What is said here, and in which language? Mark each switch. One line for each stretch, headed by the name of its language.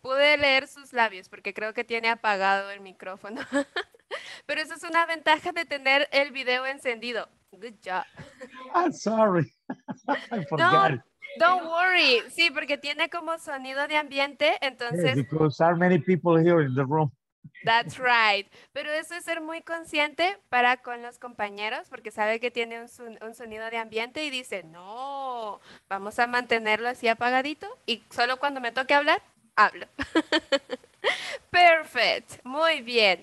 Spanish: Pude leer sus labios porque creo que tiene apagado el micrófono. Pero eso es una ventaja de tener el video encendido.
English: Good job. I'm sorry. I forgot. No. Don't worry.
Spanish: Sí, porque tiene como sonido de ambiente, entonces...
English: Yes, because there are many people here in the room. That's right.
Spanish: Pero eso es ser muy consciente para con los compañeros, porque sabe que tiene un sonido de ambiente y dice, no, vamos a mantenerlo así apagadito y solo cuando me toque hablar, hablo.
English: Perfect.
Spanish: Muy bien.